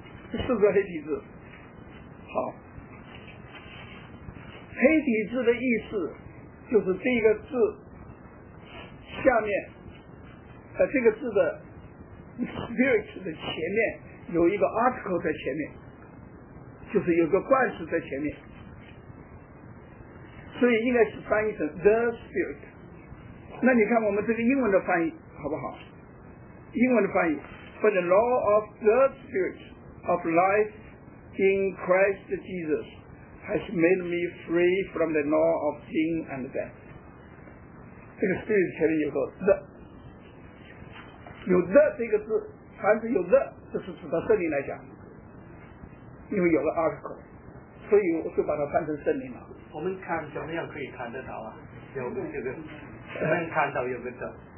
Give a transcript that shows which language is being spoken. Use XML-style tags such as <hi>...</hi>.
<zh>是不是黑体字？好，黑体字的意思就是这个字下面，这个字的 spirit 的前面有一个 article 在前面，就是有个冠词在前面，所以应该是翻译成 the spirit。那你看我们这个英文的翻译好不好？英文的翻译</zh> <en>for the law of the spirit of life in Christ Jesus has made me free from the law of sin and death。</en> <zh>这个 spirit 前面有个 the，有的这个字，凡是有的，这是指的圣灵来讲，因为有了 article， 所以我就把它翻成圣灵了。我们看怎么样可以看得到啊？有个，能看到有个的。</zh>